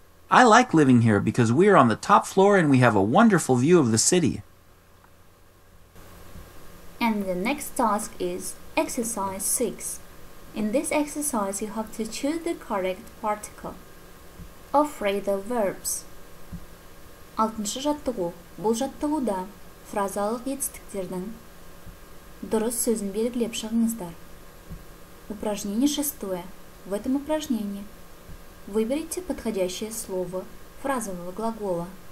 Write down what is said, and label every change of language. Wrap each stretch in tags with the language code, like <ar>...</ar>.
<en>I like living here because we are on the top floor and we have a wonderful view of the city. And the next task is exercise 6. In this exercise, you have to choose the correct particle. Phrasal verbs.</en> <kk>6-шы жаттығу. Бұл жаттығуда фразалық жетістіктердің дұрыс сөзін белгілеп шығыңыздар.</kk> <ru>Упражнение 6. В этом упражнении выберите подходящее слово фразового глагола.</ru>